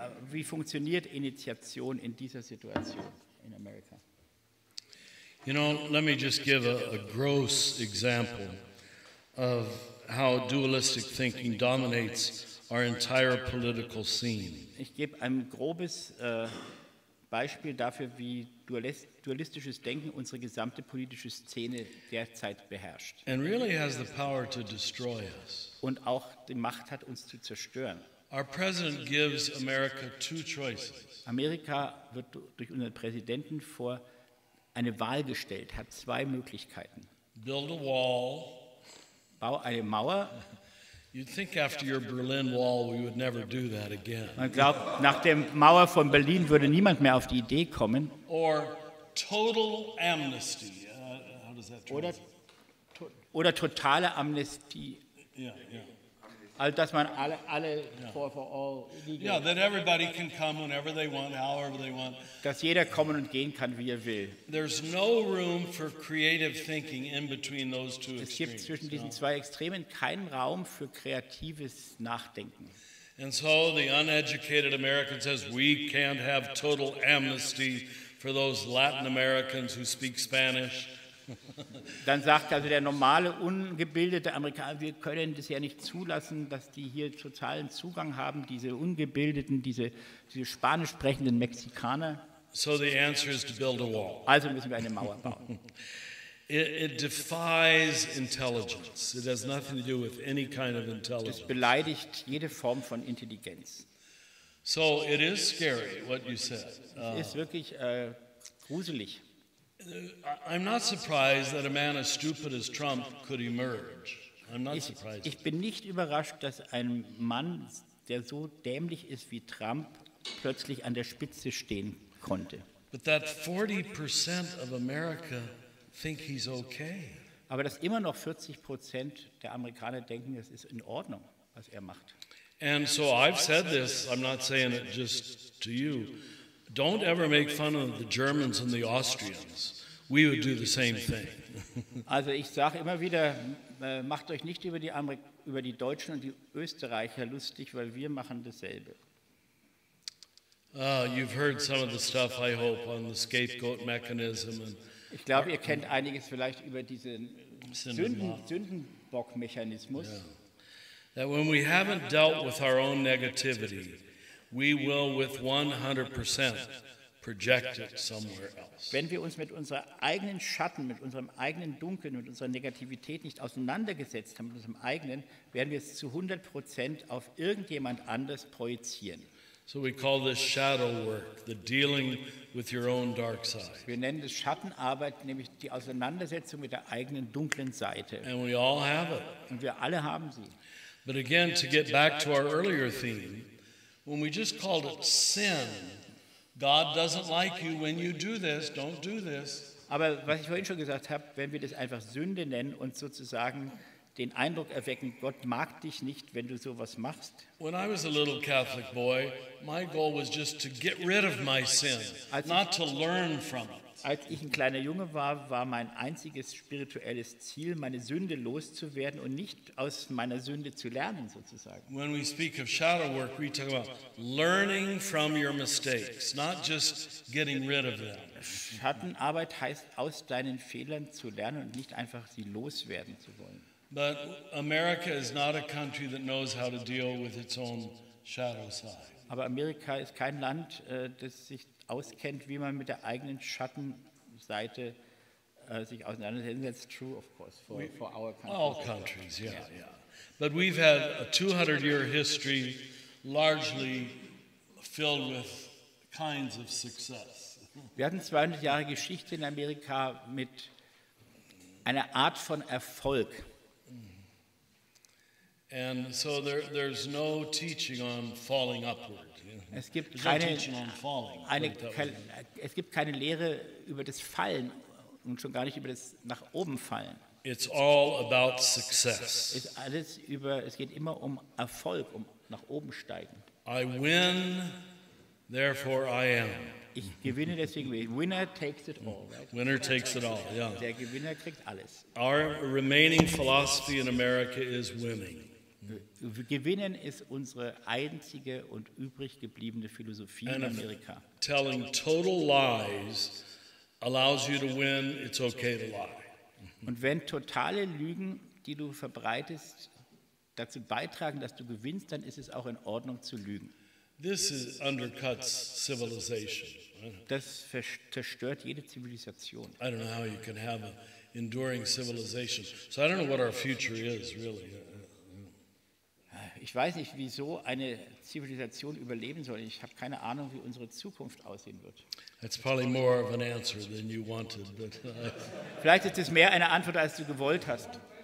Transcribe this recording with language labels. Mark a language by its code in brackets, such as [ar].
[de] Wie funktioniert Initiation in dieser Situation in Amerika? [en] You know, let me just give a gross example of how dualistic thinking dominates our entire political scene. [de] Ich gebe ein grobes Beispiel dafür, wie dualistisches Denken unsere gesamte politische Szene derzeit beherrscht. [en] And really has the power to destroy us. [de] Und auch die Macht hat, uns zu zerstören. [en] Our president gives America two choices. [de] Amerika wird durch unseren Präsidenten vor eine Wahl gestellt, hat zwei Möglichkeiten. [en] Build a wall. [de] Bau eine Mauer. [en] You'd think after your Berlin Wall we would never do that again. [de] Man glaubt, nach der Mauer von Berlin würde niemand mehr auf die Idee kommen. [en] Or total amnesty. How does that translate? [de] Oder totale Amnestie. Also, dass man alle [en] for all. Yeah, that everybody can come whenever they want, however they want. [de] Dass jeder kommen und gehen kann, wie will. [en] There's no room for creative thinking in between those two extremes. [de] Es gibt zwischen diesen zwei Extremen keinen Raum für kreatives Nachdenken. [en] And so the uneducated American says we can't have total amnesty for those Latin Americans who speak Spanish. [de] Dann sagt also der normale, ungebildete Amerikaner, wir können das ja nicht zulassen, dass die hier totalen Zugang haben, diese ungebildeten, diese spanisch sprechenden Mexikaner. [en] So the answer is to build a wall. [de] Also müssen wir eine Mauer bauen. [en] It defies intelligence. It has nothing to do with any kind of intelligence. [de] Es beleidigt jede Form von Intelligenz. [en] So it is scary, what you said. [de] Es ist wirklich gruselig. [en] I'm not surprised that a man as stupid as Trump could emerge. I'm not surprised. [de] Ich bin nicht überrascht, dass ein Mann, der so dämlich ist wie Trump, plötzlich an der Spitze stehen konnte. [en] But that 40% of America think he's okay. [de] Aber dass immer noch 40% der Amerikaner denken, es ist in Ordnung, was er macht. [en] And so I've said this, I'm not saying it just to you. Don't ever make fun of the Germans and the Austrians. We would do the same thing. [de] Also ich sage immer wieder, macht euch nicht über die Deutschen und die Österreicher lustig, weil wir machen dasselbe. [en] You've heard some of the stuff, I hope, on the scapegoat mechanism. And [de] ich glaube, ihr kennt einiges vielleicht über diesen Sündenbock-Mechanismus. [en] That when we haven't dealt with our own negativity, we will with 100% project it somewhere else. [de] Wenn wir uns mit unserer eigenen Schatten, mit unserem eigenen Dunkeln, mit unserer Negativität nicht auseinandergesetzt haben, mit unserem eigenen, werden wir es zu 100% auf irgendjemand anders projizieren. [en] So we call this shadow work, the dealing with your own dark side. [de] Wir nennen das Schattenarbeit, nämlich die Auseinandersetzung mit der eigenen dunklen Seite. [en] And we all have it. [de] Und wir alle haben sie. [en] But again, to get back to our earlier theme, when we just called it sin, God doesn't like you when you do this, don't do this. [de] Aber was ich vorhin schon gesagt habe, wenn wir das einfach Sünde nennen und sozusagen den Eindruck erwecken, Gott mag dich nicht, wenn du sowas machst. [en] When I was a little Catholic boy, my goal was just to get rid of my sin, not to learn from it. [de] Als ich ein kleiner Junge war, war mein einziges spirituelles Ziel, meine Sünde loszuwerden und nicht aus meiner Sünde zu lernen, sozusagen. [en] When we speak of shadow work, we talk about learning from your mistakes, not just getting rid of them. [de] Schattenarbeit heißt, aus deinen Fehlern zu lernen und nicht einfach sie loswerden zu wollen. [en] But America is not a country that knows how to deal with its own shadow side. [de] Aber Amerika ist kein Land, das sich auskennt, wie man mit der eigenen Schattenseite sich auseinandersetzt. [en] That's true, of course, for our country. All countries, yeah. But we've had a 200-year history largely filled with kinds of success. [de] Wir hatten 200 Jahre Geschichte in Amerika mit einer Art von Erfolg. [en] And so there's no teaching on falling upward. [de] Es gibt keine Lehre über das Fallen und schon gar nicht über das nach oben Fallen. [en] It's all about success. [de] Es geht immer um Erfolg, um nach oben steigen. [en] I win, therefore I am. [de] Ich gewinne, deswegen bin ich. [en] Winner takes it all. Right? Winner takes it all. Yeah. [de] Der Gewinner kriegt alles. [en] Our remaining philosophy in America is winning. [de] Gewinnen ist unsere einzige und übrig gebliebene Philosophie in Amerika. [en] Telling total lies allows you to win, it's okay to lie. [de] Und wenn totale Lügen, die du verbreitest, dazu beitragen, dass du gewinnst, dann ist es auch in Ordnung zu lügen. [en] This undercuts civilization. [de] Das zerstört jede Zivilisation. [en] I don't know how you can have an enduring civilization. So I don't know what our future is, really. [de] Ich weiß nicht, wieso eine Zivilisation überleben soll. Ich habe keine Ahnung, wie unsere Zukunft aussehen wird. [en] That's probably more of an answer than you wanted, but [de] vielleicht ist es mehr eine Antwort, als du gewollt hast.